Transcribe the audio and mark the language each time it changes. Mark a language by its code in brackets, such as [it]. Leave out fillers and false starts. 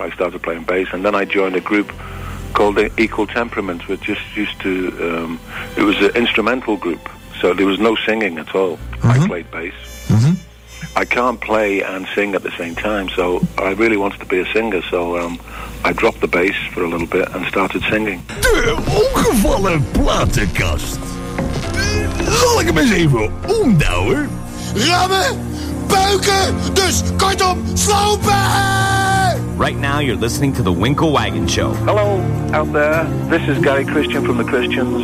[en] I started playing bass, and then I joined a group called the Equal Temperaments, which just used to, it was an instrumental group, so there was no singing at all. Mm-hmm. I played bass. Mm-hmm. I can't play and sing at the same time, so I really wanted to be a singer, so I dropped the bass for a little bit and started singing. [nl] De ongevallen platenkast. Zal ik hem eens even omdouwen? Rammen, buiken, dus kortom, slopen! [en] Right now you're listening to the Winkle Wagon Show. Hello out there, this is Gary Christian from the Christians.